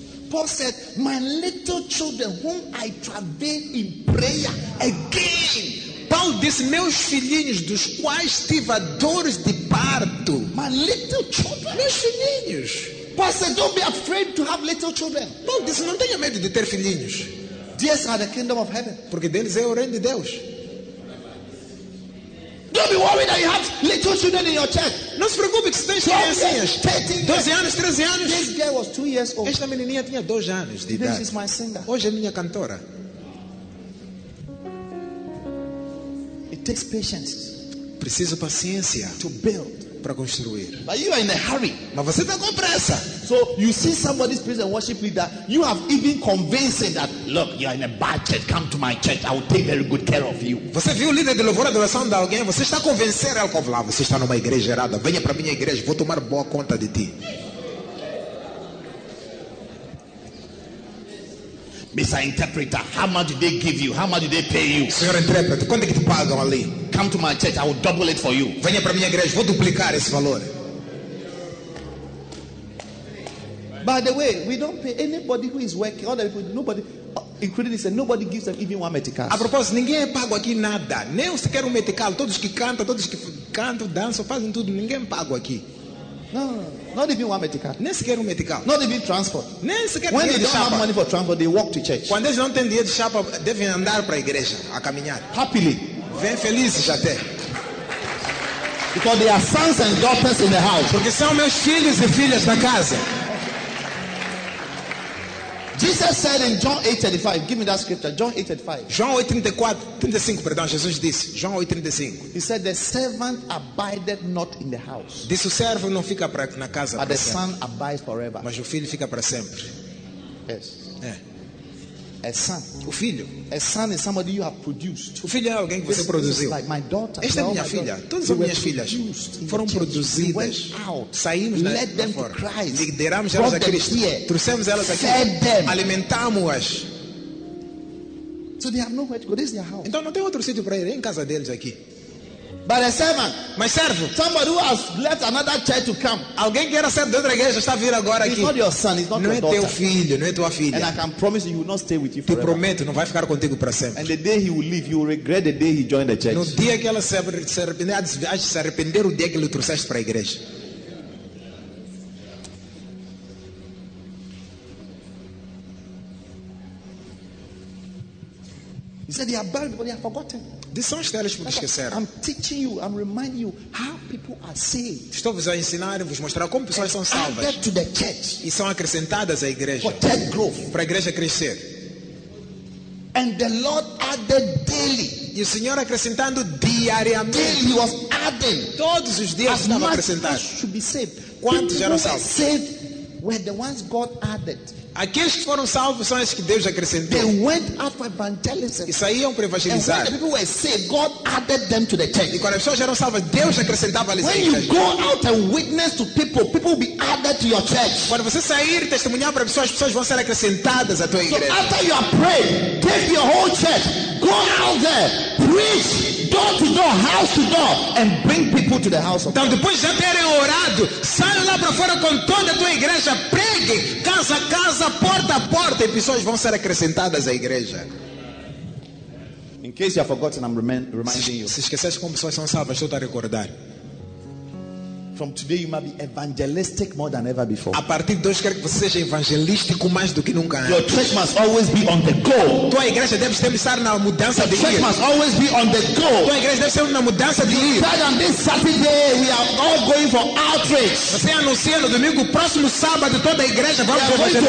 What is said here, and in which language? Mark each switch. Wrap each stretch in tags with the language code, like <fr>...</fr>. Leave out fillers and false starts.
<en>Paul said, my little children whom I travail in prayer again.</en> <pt>Paulo disse, meus filhinhos dos quais tive dores de parto.</pt> <en>My little children.</en> <pt>Meus filhinhos.</pt> <en>Paul said, don't be afraid to have little children.</en> <pt>Paulo disse, não tenha medo de ter filhinhos.</pt> <en>Theirs are the kingdom of heaven.</en> <pt>Porque deles é o reino de Deus.</pt> <en>Don't be worried that you have little children in your church.</en> <pt>Não se preocupe que se tens crianças. 12 anos, 13 anos.</pt> <en>This girl was 2 years old.</en> <pt>Esta menininha tinha 2 anos de</pt> <en>this</en> <pt>idade.</pt> <en>This is my singer.</en> <pt>Hoje é minha cantora.</pt> <en>It takes patience.</en> <pt>Preciso paciência.</pt> <en>To build.</en> <pt>Para construir.</pt> <en>But you are in a hurry.</en> <pt>Mas você está com pressa.</pt> <en>So you see somebody's praise and worship leader, you have even convinced him that, look, you are in a bad church. Come to my church. I will take very good care of you.</en> <pt>Você viu o líder de louvor e adoração de alguém? Você está convencendo ele que você está numa igreja errada. Venha para minha igreja. Vou tomar boa conta de ti.</pt> <en>Mr. Interpreter, how much did they give you? How much did they pay you?</en> <pt>Senhor intérprete, quanto é que te pagam ali?</pt> <en>Come to my church, I will double it for you.</en> <pt>Venha para minha igreja, vou duplicar esse valor.</pt> <en>By the way, we don't pay anybody who is working. All the people, nobody, including this, nobody gives them even one metical.</en> <pt>A propósito, ninguém é pago aqui nada. Nem sequer um metical. Todos que cantam, dançam, fazem tudo. Ninguém é pago aqui.</pt> <en>No, not even one medical.</en> <pt>Nem sequer um medical.</pt> <en>Not even transport.</en> <pt>Nem sequer.</pt> <en>When they don't have money for transport, they walk to church.</en> <pt>Quando eles não têm dinheiro de chapa, devem andar para a igreja, a caminhar.</pt> <en>Happily.</en> <pt>Vem felizes até.</pt> <en>Because they are sons and daughters in the house.</en> <pt>Porque são meus filhos e filhas na casa.</pt> <en>Jesus said in John 8:35, give me that scripture, John 8:35.</en> <pt>João 8:35, perdão, Jesus disse, João 8:35.</pt> <en>He said the servant abided not in the house.</en> <pt>Disse, o servo não fica pra, na casa.</pt> <en>But the son abides forever.</en> <pt>Mas o filho fica para sempre.</pt> <en>Yes.</en> <pt>É.</pt> <en>A son.</en> <pt>O filho.</pt> <en>A son is somebody you have produced.</en> <pt>O filho é alguém que você produziu.</pt> <en>Like my daughter.</en> <pt>Esta é minha filha. Todas as minhas filhas foram produzidas. Saímos na fora. Lideramos elas a Cristo. Trouxemos elas aqui. Alimentámo-as.</pt> <en>So they have nowhere to go. This is their house.</en> <pt>Então não tem outro sítio para ir. É em casa deles aqui.</pt> <en>But a servant,</en> <pt>my servo,</pt> <en>somebody who has left another church to come.</en> <pt>Alguém que era servo de outra igreja está vindo agora aqui.</pt> <en>It's not your son, it's not your daughter.</en> <pt>Não é teu filho, não é tua filha.</pt> <en>And I can promise you, he will not stay with you forever.</en> <pt>Te prometo, não vai ficar contigo para sempre.</pt> <en>And the day he will leave, you will regret the day he joined the church.</en> <pt>No dia que ela se arrepender, o dia que ele trouxeste para a igreja.</pt> <en>He said they are bad, but they are forgotten. I'm teaching you, I'm reminding you how people are saved.</en> <pt>Estou-vos a ensinar e vos mostrar como pessoas são salvas.</pt> <en>Added to the church.</en> <pt>E são acrescentadas à igreja.</pt> <en>For church growth.</en> <pt>Para a igreja crescer.</pt> <en>And the Lord added daily.</en> <pt>E o Senhor acrescentando diariamente.</pt> <en>Daily was adding.</en> <pt>Todos os dias estava acrescentando.</pt> <en>As should be saved.</en> <pt>Quantos eram salvos?</pt> <en>Saved were the ones God added.</en> <pt>Aqueles que foram salvos são esses que Deus acrescentou.</pt> <en>They went out for evangelism.</en> <pt>E saíam para evangelizar.</pt> <en>And when the people were saved, God added them to the church.</en> <pt>E quando as pessoas eram salvas, Deus acrescentava-lhes.</pt> <en>When you go out and witness to people, people will be added to your church.</en> <pt>Quando você sair e testemunhar para pessoas, as pessoas vão ser acrescentadas à tua igreja.</pt> <en>So after you have prayed, take your whole church, go out there, preach door to door, house to door, and bring people to the house of God.</en> <pt>Então depois de já terem orado, saia lá para fora com toda a tua igreja, pregue casa a casa, porta a porta, e pessoas vão ser acrescentadas à igreja.</pt> <en>In case you have forgotten, I'm reminding you.</en> <pt>Se esqueceste como pessoas são salvas, estou a recordar.</pt> <en>From today you might be evangelistic more than ever before.</en> <pt>A partir de hoje quero que você seja evangelístico mais do que nunca.</pt> <en>Your church must always be on the go.</en> <pt>Tua igreja deve sempre estar na mudança de ir.</pt> <en>Church must always be on the go.</en> <pt>Tua igreja deve sempre na mudança de ir.</pt> <en>Said on this Saturday we are all going for outreach.</en> <pt>Você anuncia no domingo, próximo sábado toda a igreja vamos evangelizar.</pt>